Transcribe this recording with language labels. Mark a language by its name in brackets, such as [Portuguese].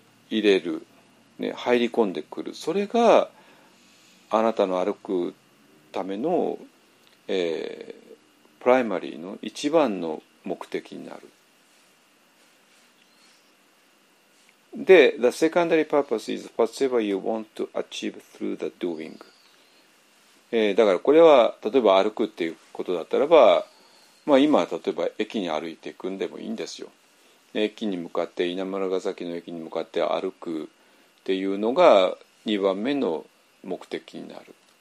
[Japanese] れる、ね、入り込んでくる、それがあなたの歩くための、プライマリーの一番の目的になる。 [English] で、The secondary purpose is whatever you want to achieve through the doing。 [Japanese] だからこれは例えば歩くっていうことだったらば、まあ今は例えば駅に歩いていくんでもいいんですよ。駅に向かって、稲村ヶ崎の駅に向かって歩くっていうのが2番目の目的になる。